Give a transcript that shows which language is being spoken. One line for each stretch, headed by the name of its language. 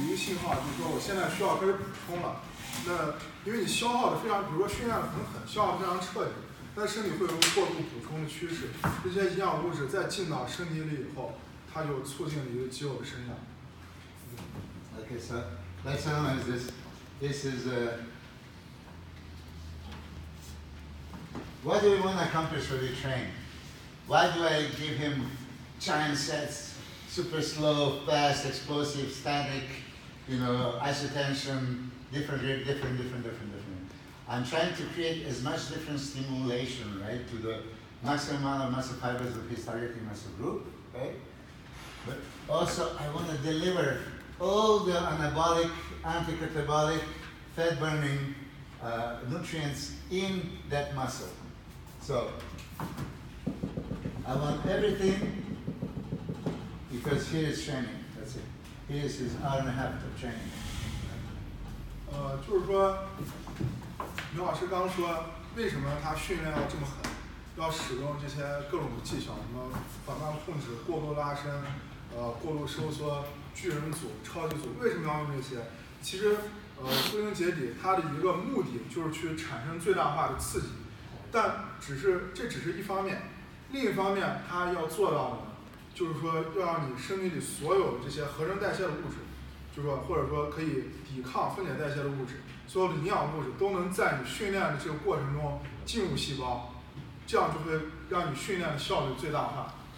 Chinese: 对，他现在讲的就是一个我们锻炼的为什么肌肉会增长的一个基本原理，就是说我们去力量训练，把身体里的营养物质慢慢都消耗完了，消耗完了以后，你给身体一个信号，就是说我现在需要开始补充了。那因为你消耗的非常，比如说训练的可能很消耗非常彻底，那身体会有过度补充的趋势，这些营养物质再进到身体里以后，它就促进了一个肌肉的生长。Okay,
English: so let's analyze this. This is what do we want to accomplish when we train? Why do I give him giant sets, super slow, fast, explosive, static, you know, isotension? Different. I'm trying to create as much different stimulation, right, to the maximum amount of muscle fibers of his targeting muscle group, right? But also, I want to deliver all the anabolic, anti-catabolic, fat-burning nutrients in that muscle. So, I want everything, because here is training, that's it. Here is his hour and a half of training.
Chinese: 就是说明老师刚刚说为什么他训练要这么狠，要使用这些各种的技巧，什么缓慢控制、过度拉伸、过度收缩、巨人组、超级组，为什么要用这些？其实归根结底他的一个目的就是去产生最大化的刺激，但只是这只是一方面，另一方面他要做到的就是说要让你身体里所有这些合成代谢的物质，就是说或者说可以抵抗分解代谢的物质，所有的营养物质都能在你训练的这个过程中进入细胞，这样就会让你训练的效率最大化。